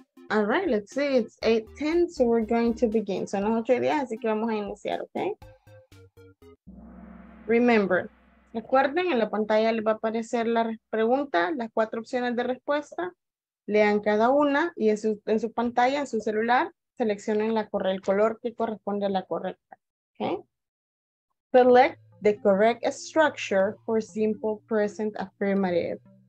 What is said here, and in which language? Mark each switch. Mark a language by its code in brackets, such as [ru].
[en] All right, let's see, it's 8:10, so we're going to begin. [es] Son las 8:10, así que vamos a iniciar, okay? [en] Remember, [es] recuerden, en la pantalla les va a aparecer la pregunta, las 4 opciones de respuesta, lean cada una, y en su pantalla, en su celular, seleccionen el color que corresponde a la correcta, okay? [en] Select the correct structure for simple present affirmative.